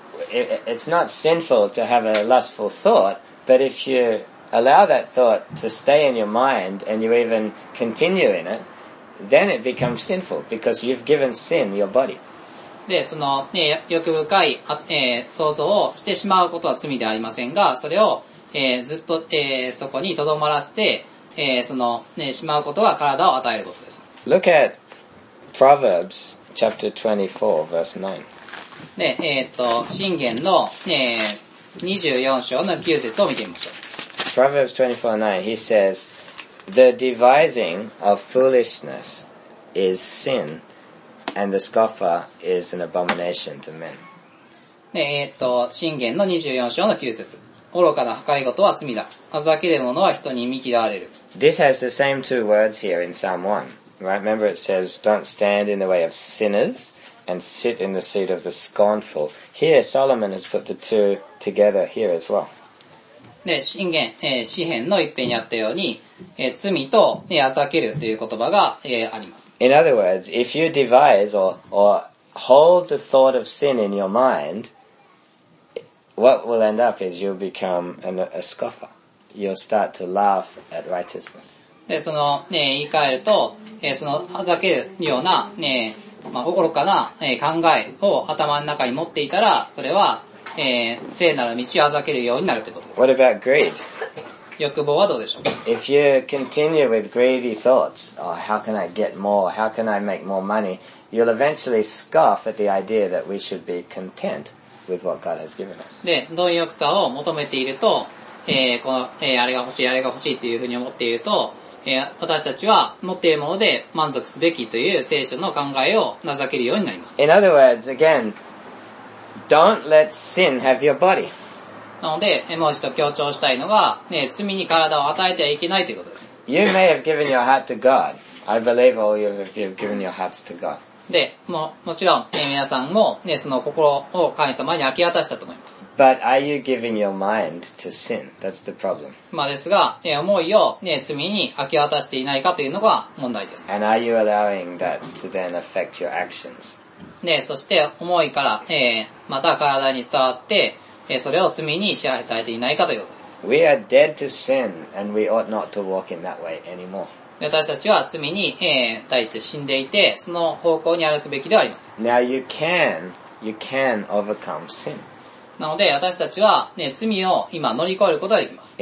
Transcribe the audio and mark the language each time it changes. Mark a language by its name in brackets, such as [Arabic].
[English] It's not sinful to have a lustful thought, but if you allow that thought to stay in your mind and you even continue in it, then it becomes sinful because you've given sin your body. [Japanese] で、その、ね、欲深い、想像をしてしまうことは罪ではありませんが、それを、ずっと、そこに留まらせて、その、ね、しまうことが体を与えることです。 [English] Look at Proverbs chapter 24, verse 9. [Japanese] で、箴言の、24章の9節を見てみましょう。 [English] Proverbs 24:9, he says, The devising of foolishness is sin. And the scoffer is an abomination to men. [Japanese] 箴言の24章の9節。愚かな計り事は罪だ。あざける者は人に見嫌われる。 [English] This has the same two words here in Psalm 1. Right? Remember it says, don't stand in the way of sinners and sit in the seat of the scornful. Here, Solomon has put the two together here as well. [Japanese] 箴言、詩編の一編にあったように、罪と、あざけるという言葉が、あります。 [English] In other words, if you devise or hold the thought of sin in your mind, what will end up is you'll become a scoffer. You'll start to laugh at righteousness. [Japanese] で、その、言い換えると、その、あざけるような、まあ、愚かな、考えを頭の中に持っていたら、それは、聖なる道をあざけるようになるということです。 [English] What about greed? [Japanese] 欲望はどうでしょう? [English] If you continue with greedy thoughts, oh, how can I get more? How can I make more money? You'll eventually scoff at the idea that we should be content with what God has given us. [Japanese] で、貪欲さを求めていると、この、あれが欲しい、あれが欲しいというふうに思っていると、私たちは持っているもので満足すべきという聖書の考えを情けるようになります。 [English] In other words, again, don't let sin have your body. [Japanese] なので、もう一度強調したいのが、ね、罪に体を与えてはいけないということです。 [English] You may have given your heart to God. I believe all of you have given your hearts to God. [Japanese] で、もちろん、皆さんも、ね、その心を神様に明け渡したと思います。 [English] But are you giving your mind to sin? That's the problem. [Japanese] まあですが、思いを、ね、罪に明け渡していないかというのが問題です。 [English] And are you allowing that to then affect your actions? [Japanese] で、そして思いから、また体に伝わって、それを罪に支配されていないかということです。 [English] We are dead to sin and we ought not to walk in that way anymore. [Japanese] 私たちは罪に、対して死んでいて、その方向に歩くべきではありません。 [English] Now you can overcome sin. [Japanese] なので私たちは、ね、罪を今乗り越えることができます。